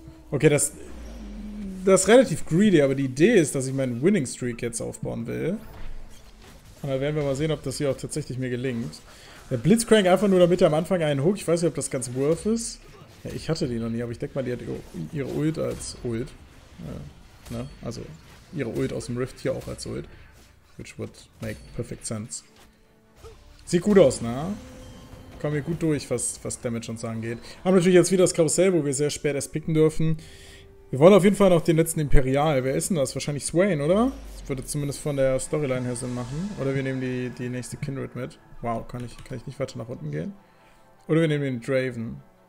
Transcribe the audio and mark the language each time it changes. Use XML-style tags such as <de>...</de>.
<de>Okay, das ist relativ greedy, aber die Idee ist, dass ich meinen Winning Streak jetzt aufbauen will. Und dann werden wir mal sehen, ob das hier auch tatsächlich mir gelingt. Der Blitzcrank einfach nur, damit er am Anfang einen Hook. Ich weiß nicht, ob das ganz worth ist. Ja, ich hatte die noch nie, aber ich denke mal, die hat ihre Ult als Ult. Ne? Also ihre Ult aus dem Rift hier auch als Ult.</de> <en>Which would make perfect sense.</en> <de>Sieht gut aus, ne? Kommen wir gut durch, was Damage uns angeht. Haben natürlich jetzt wieder das Karussell, wo wir sehr spät erst picken dürfen. Wir wollen auf jeden Fall noch den letzten Imperial. Wer ist denn das? Wahrscheinlich Swain, oder? Das würde zumindest von der Storyline her Sinn machen. Oder wir nehmen die nächste Kindred mit. Wow, kann ich nicht weiter nach unten gehen? Oder wir nehmen den Draven.</de>